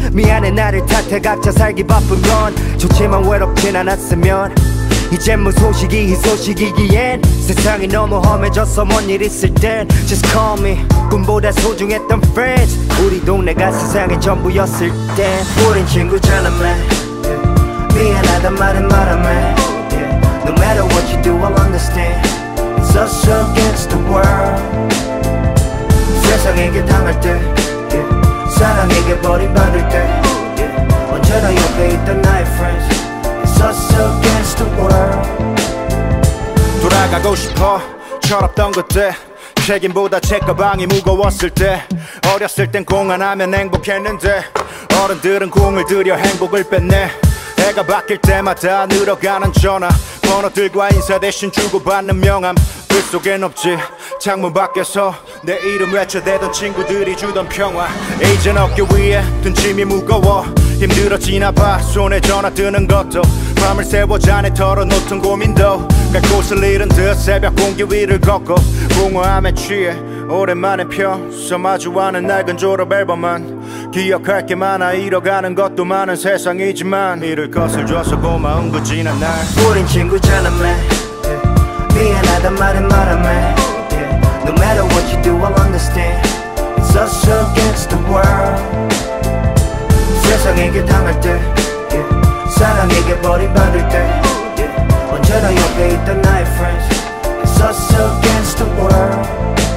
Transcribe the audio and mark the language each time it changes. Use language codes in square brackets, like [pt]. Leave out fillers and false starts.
[ko] 미안해 나를 탓해. 각자 살기 바쁜 건 좋지만 외롭진 않았으면. 이젠 뭐 소식이 희소식이기엔 세상이 너무 험해져서 뭔 일 있을 땐 [en] Just call me. [ko] 꿈보다 소중했던 friends 우리 동네가 세상의 전부였을 땐 우린 친구잖아 man. 미안하단 말은 말아매. [en] No matter what you do I'll understand. It's us against the world. [ko] 세상에게 당할 때 사랑에게 버림받을 때 언제나 옆에 있던 나의 friends. [en] It's us against the world. [ko] 돌아가고 싶어 철없던 그때. 책임보다 책가방이 무거웠을 때. 어렸을 땐 공안하면 행복했는데 어른들은 공을 들여 행복을 뺐네. 해가 바뀔 때마다 늘어가는 전화 번호들과 인사 대신 주고받는 명함. 글 속엔 없지 창문 밖에서 내 이름 외쳐대던 친구들이 주던 평화. 이젠 어깨 위에 든 짐이 무거워 힘들어지나 봐. 손에 전화 드는 것도 밤을 새워 잔에 털어놓던 고민도 갈 곳을 잃은 듯 새벽 공기 위를 걷고 공허함에 취해 오랜만에 펴서 마주하는 낡은 졸업앨범만 기억할 게 많아. 잃어가는 것도 많은 세상이지만 잃을 것을 줘서 고마운 그 지난 날. 우린 친구잖아 man. 미안하단 말은 말아 man. [en] No matter what you do I'll understand. It's us against the world. [ko] 세상에게 당할 때 사랑에게 버림받을 때 언제나 옆에 있던 나의 friends. [en] It's us against the world.